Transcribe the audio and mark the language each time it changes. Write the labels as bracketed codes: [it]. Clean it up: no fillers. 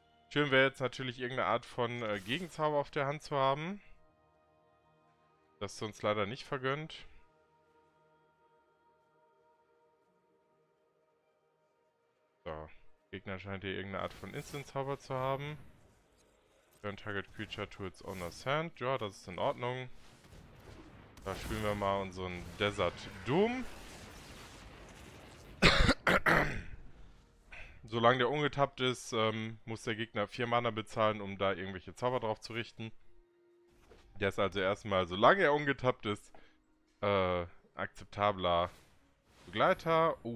[de] Schön wäre jetzt natürlich irgendeine Art von Gegenzauber auf der Hand zu haben. Das ist uns leider nicht vergönnt. So, Gegner scheint hier irgendeine Art von Instant-Zauber zu haben. [en] Turn target creature to its owner's hand. [de] Ja, das ist in Ordnung. Da spielen wir mal unseren Desert Doom. Solange der ungetappt ist, muss der Gegner 4 Mana bezahlen, um da irgendwelche Zauber drauf zu richten. Der ist also erstmal, solange er ungetappt ist, akzeptabler Begleiter.